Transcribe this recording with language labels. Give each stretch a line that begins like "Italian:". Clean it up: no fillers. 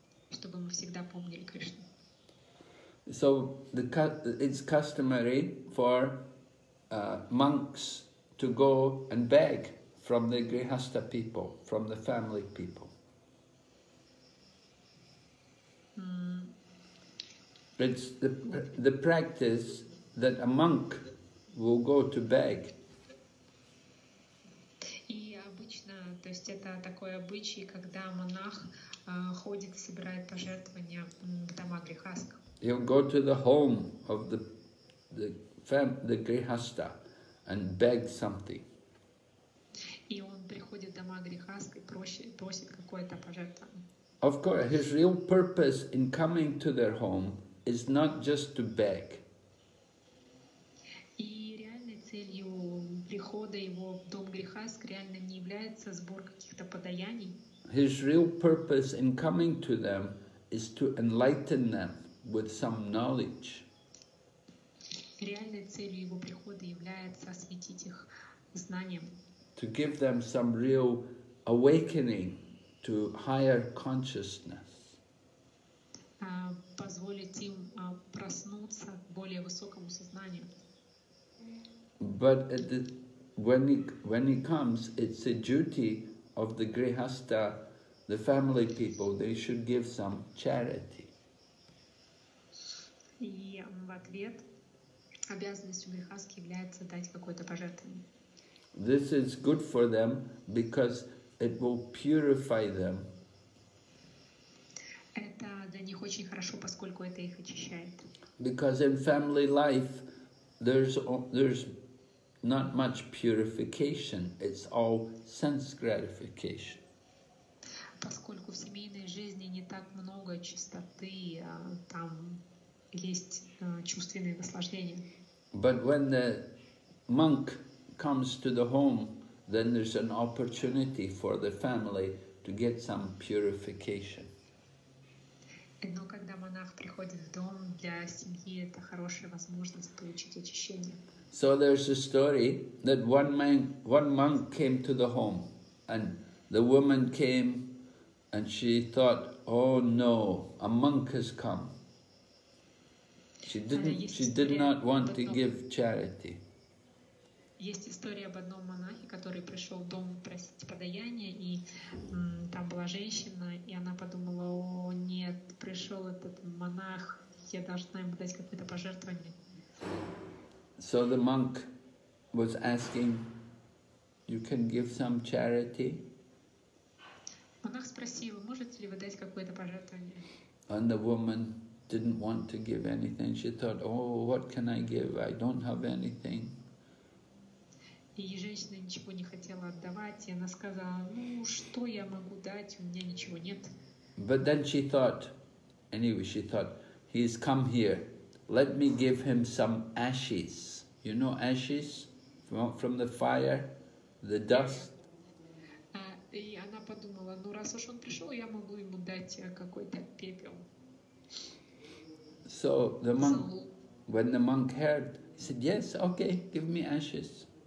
Russian: Чтобы мы всегда помнили Кришну.
English: So it's customary for monks to go and beg from the Grihastha people, from the family people. It's the practice that a monk will go to beg.
Russian: И обычно, то есть это такой обычай, когда монах ходит и собирает пожертвования в дома Грихастха.
English: He'll go to the home of the Grihastha and beg something.
Russian: И он приходит в дома Грихастха и просит какое-то пожертвование.
English: Of course, his real purpose in coming to their home is not just to beg.
Russian: И реальной целью прихода его в дом Грихастх реально не является сбор каких-то подаяний.
English: His real purpose in coming to them is to enlighten them with some knowledge.
Russian: Реальной целью его прихода является осветить их знанием.
English: To give them some real awakening to higher consciousness.
Russian: Позволить им проснуться к более высокому сознанию.
English: But when he comes, it's a duty of the Grihastha, the family people, they should give some charity.
Russian: И в ответ обязанностью Грихастхи является дать какое-то пожертвование.
English: This is good for them because it will purify them.
Russian: Это для них очень хорошо, поскольку это их очищает.
English: Because in family life there's not much purification. It's all sense gratification.
Russian: Поскольку в семейной жизни не так много чистоты, там есть чувственные наслаждения.
English: But when the monk comes to the home, then there's an opportunity for the family to get some purification.
Russian: Но когда монах приходит в дом, для семьи это хорошая возможность получить очищение.
English: So there's a story that one monk came to the home, and the woman came, and she thought, oh no, a monk has come. She did not want to give charity.
Russian: Есть история об одном монахе, который пришел в дом просить подаяния, и там была женщина, и она подумала, о нет, пришел этот монах, я должна ему дать какое-то пожертвование.
English: So the monk was asking, you can give some charity?
Russian: Монах спросил, можете ли вы дать какое-то пожертвование?
English: And the woman didn't want to give anything. She thought, oh, what can I give? I don't have anything.
Russian: И женщина ничего не хотела отдавать, и она сказала, ну, что я могу дать, у меня ничего нет.
English: But then she thought, anyway, she thought, he's come here, let me give him some ashes. You know ashes from the fire, the dust?
Russian: И она подумала, ну, раз уж он пришел, я могу ему дать какой-то пепел.
English: So When the monk heard, he said, yes, okay, give me ashes.